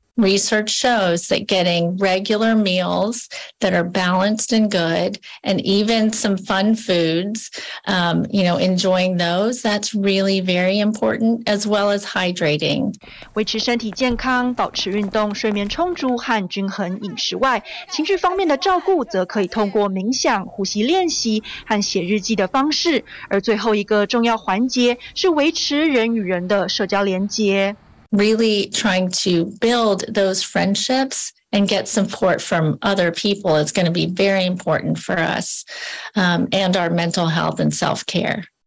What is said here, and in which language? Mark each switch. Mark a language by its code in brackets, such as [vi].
[en] Research shows that getting regular meals that are balanced and good, and even some fun foods, enjoying those, that's really very important, as well as hydrating. [zh] 维持身体健康，保持运动、睡眠充足和均衡饮食外，情绪方面的照顾则可以通过冥想、呼吸练习和写日记的方式。而最后一个重要环节是维持人与人的社交连接。 [en] Really trying to build those friendships and get support from other people is going to be very important for us and our mental health and self-care.